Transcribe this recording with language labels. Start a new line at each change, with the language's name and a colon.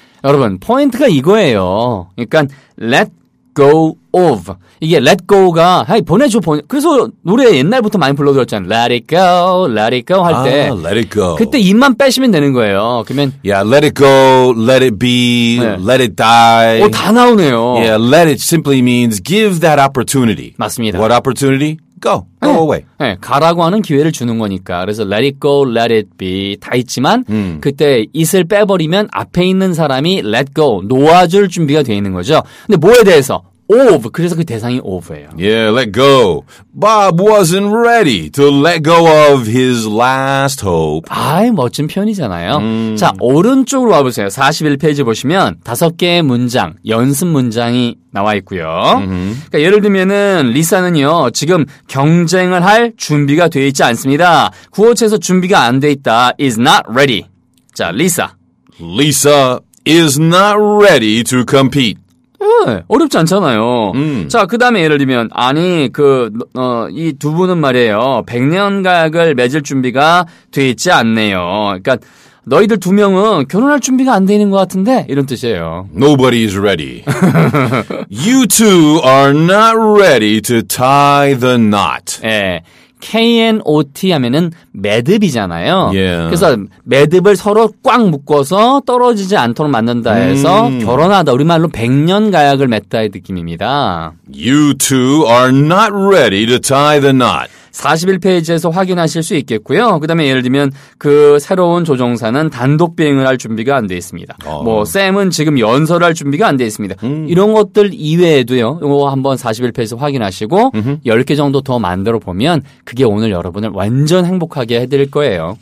Korean: 여러분, 포인트가 이거예요. 그러니까 let go of. 이게 let go가 hey, 보내줘. 그래서 노래 옛날부터 많이 불러드렸잖아요.
English: Let it go, let it go
Korean: 할 때.
English: 아, let it go.
Korean: 그때 입만 빼시면 되는 거예요. 그러면
English: yeah, let it go, let it be, 네. let it die.
Korean: 오, 다 나오네요.
English: Yeah, let it simply means give that opportunity.
Korean: 맞습니다.
English: What opportunity? Go, go away.
Korean: 네, 가라고 하는 기회를 주는 거니까. 그래서 let it go, let it be 다 있지만 그때 it을 빼버리면 앞에 있는 사람이 let go, 놓아줄 준비가 되어 있는 거죠. 근데 뭐에 대해서? of. 그래서 그 대상이 of예요.
English: Yeah, let go. Bob wasn't ready to let go of his last hope.
Korean: 아이, 멋진 표현이잖아요. 자, 오른쪽으로 와보세요. 41페이지 보시면 다섯 개의 문장, 연습 문장이 나와 있고요. 그러니까 예를 들면은 리사는요, 지금 경쟁을 할 준비가 되어 있지 않습니다. 구호체에서 준비가 안 되어 있다.
English: is not ready. 자, 리사. Lisa is not ready to compete.
Korean: 어렵지 않잖아요. 자, 그 다음에 예를 들면, 아니, 이 두 분은 말이에요. 100년 가약을 맺을 준비가 돼 있지 않네요. 그러니까, 너희들 두 명은 결혼할 준비가 안 되는 것 같은데? 이런 뜻이에요.
English: Nobody is ready. You two are not ready to tie the knot.
Korean: 예. K-N-O-T 하면은 매듭이잖아요.
English: Yeah.
Korean: 그래서 매듭을 서로 꽉 묶어서 떨어지지 않도록 만든다 해서 결혼하다. 우리말로 100년 가약을 맺다의 느낌입니다.
English: You two are not ready to tie the knot.
Korean: 41페이지에서 확인하실 수 있겠고요. 그 다음에 예를 들면 그 새로운 조종사는 단독 비행을 할 준비가 안 돼 있습니다. 뭐 샘은 지금 연설을 할 준비가 안 돼 있습니다. 이런 것들 이외에도요. 이거 한번 41페이지에서 확인하시고 10개 정도 더 만들어 보면 그게 오늘 여러분을 완전 행복하게 해드릴 거예요.